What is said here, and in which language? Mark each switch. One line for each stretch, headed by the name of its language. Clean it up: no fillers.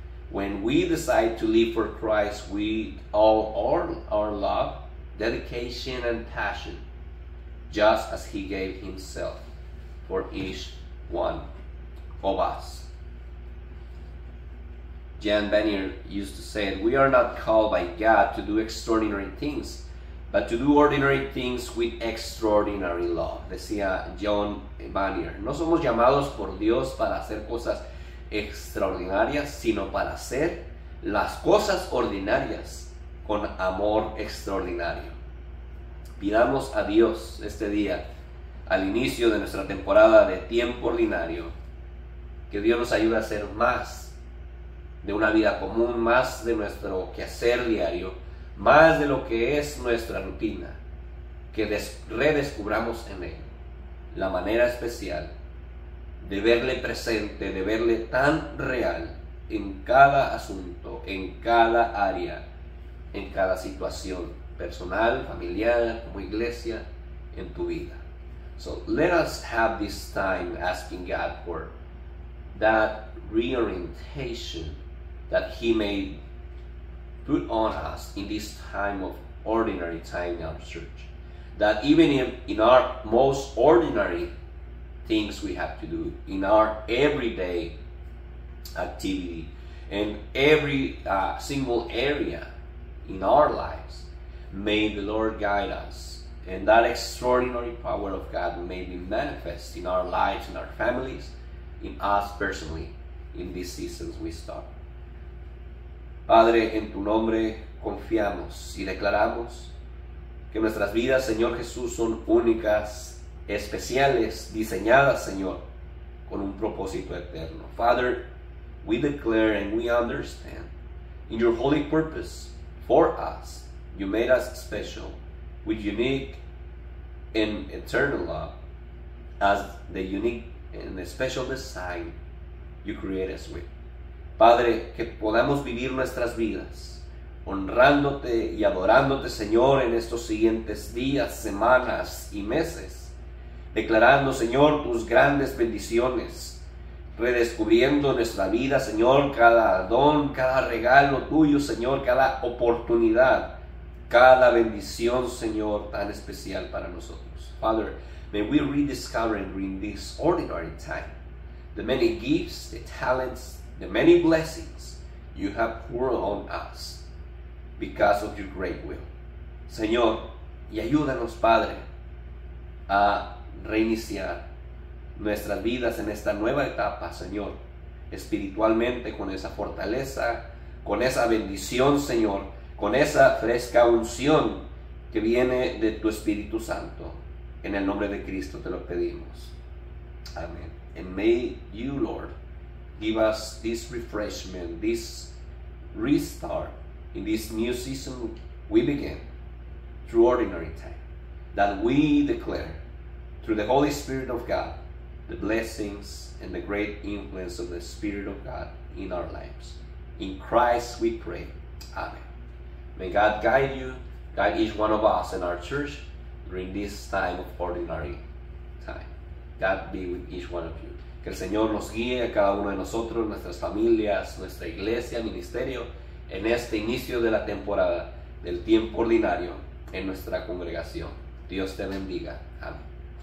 English: When we decide to live for Christ with all our love, dedication, and passion, just as he gave himself for each one of us. Jan Benier used to say, we are not called by God to do extraordinary things, but to do ordinary things with extraordinary love.
Spanish: Decía John Banier, no somos llamados por Dios para hacer cosas extraordinarias, sino para hacer las cosas ordinarias con amor extraordinario. Pidamos a Dios este día, al inicio de nuestra temporada de tiempo ordinario, que Dios nos ayude a hacer más de una vida común, más de nuestro quehacer diario, más de lo que es nuestra rutina, que redescubramos en él la manera especial de verle presente, de verle tan real en cada asunto, en cada área, en cada situación personal, familiar, como iglesia, en tu vida.
English: So let us have this time asking God for that reorientation that he may put on us in this time of ordinary time in our church. That even in our most ordinary things we have to do, in our everyday activity, in every single area in our lives, may the Lord guide us. And that extraordinary power of God may be manifest in our lives, in our families, in us personally, in these seasons we start.
Spanish: Padre, en tu nombre confiamos y declaramos que nuestras vidas, Señor Jesús, son únicas, especiales, diseñadas, Señor, con un propósito eterno.
English: Father, we declare and we understand in your holy purpose for us, you made us special with unique and eternal love as the unique and special design you created us with.
Spanish: Padre, que podamos vivir nuestras vidas honrándote y adorándote, Señor, en estos siguientes días, semanas y meses, declarando, Señor, tus grandes bendiciones, redescubriendo nuestra vida, Señor, cada don, cada regalo tuyo, Señor, cada oportunidad, cada bendición, Señor, tan especial para nosotros.
English: Father, may we rediscover during this ordinary time the many gifts, the talents, the many blessings you have poured on us because of your great will.
Spanish: Señor, y ayúdanos, Padre, a reiniciar nuestras vidas en esta nueva etapa, Señor, espiritualmente, con esa fortaleza, con esa bendición, Señor, con esa fresca unción que viene de tu Espíritu Santo. En el nombre de Cristo te lo pedimos. Amén.
English: And may you, Lord, give us this refreshment, this restart in this new season we begin through ordinary time, that we declare through the Holy Spirit of God the blessings and the great influence of the Spirit of God in our lives. In Christ we pray. Amen. May God guide you, guide each one of us in our church during this time of ordinary time. God be with each one of you.
Spanish: Que el Señor nos guíe a cada uno de nosotros, nuestras familias, nuestra iglesia, ministerio, en este inicio de la temporada del tiempo ordinario en nuestra congregación. Dios te bendiga. Amén.